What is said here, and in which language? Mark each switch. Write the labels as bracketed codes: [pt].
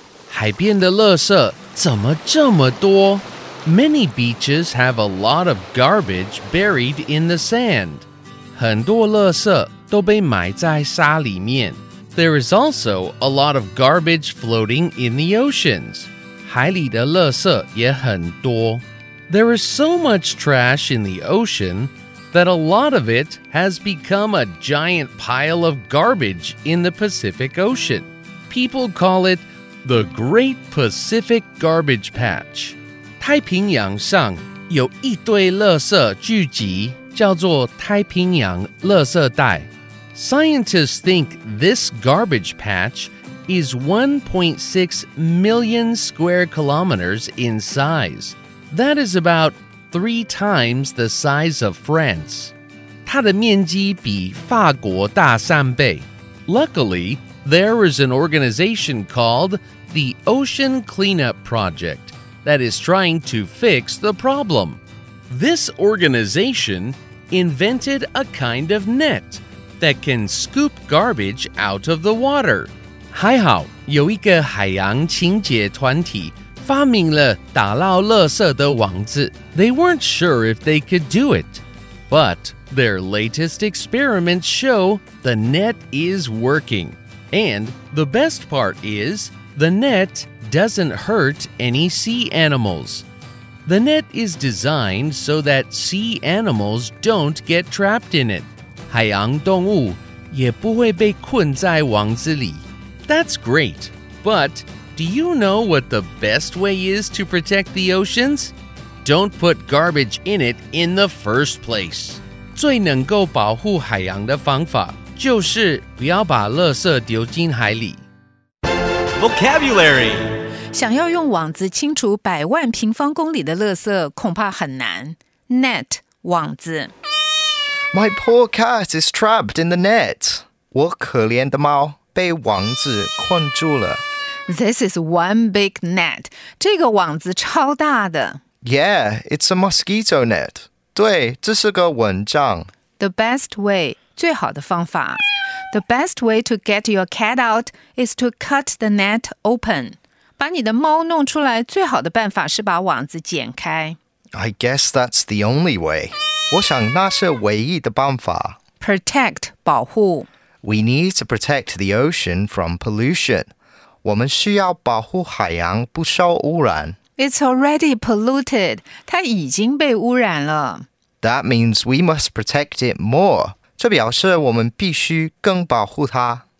[zh] 海边的垃圾怎么这么多? [en] Many beaches have a lot of garbage buried in the sand. [zh] 很多垃圾都被埋在沙里面。 [en] There is also a lot of garbage floating in the oceans. [zh] 海里的垃圾也很多。 [en] There is so much trash in the ocean that a lot of it has become a giant pile of garbage in the Pacific Ocean. People call it the Great Pacific Garbage Patch. [zh] 太平洋上有一堆垃圾聚集，叫做太平洋垃圾带。 [en] Scientists think this garbage patch is 1.6 million square kilometers in size. That is about 3 times the size of France. [zh] 它的面积比法国大三倍。 [en] Luckily, there is an organization called the Ocean Cleanup Project that is trying to fix the problem. This organization invented a kind of net that can scoop garbage out of the water. [zh] 还好有一个海洋清洁团体发明了打捞垃圾的网子。 [en] They weren't sure if they could do it, but their latest experiments show the net is working. And the best part is, the net doesn't hurt any sea animals. The net is designed so that sea animals don't get trapped in it. [zh] 海洋动物也不会被困在网子里。 [en] That's great, but... Do you know what the best way is to protect the oceans? Don't put garbage in it in the first place. [zh] 最能够保护海洋的方法就是不要把垃圾丢进海里。 [en] Vocabulary. [zh] 想要用网子清除百万平方公里的垃圾恐怕很难。 [en] Net, 网子。 My poor cat is trapped in the net. [zh] 我可怜的猫被网子困住了。 [en] This is one big net. [zh] 这个网子超大的。 [en] Yeah, it's a mosquito net. [zh] 对，这是个蚊帐。 [en] The best way, [zh] 最好的方法。 [en] The best way to get your cat out is to cut the net open. [zh] 把你的猫弄出来，最好的办法是把网子剪开。 [en] I guess that's the only way. [zh] 我想那是唯一的办法。 [en] Protect, 保护。 We need to protect the ocean from pollution. [zh] 我们需要保护海洋不受污染。 [en] It's already polluted. [zh] 它已经被污染了。 [en] That means we must protect it more. [zh] 这表示我们必须更保护它。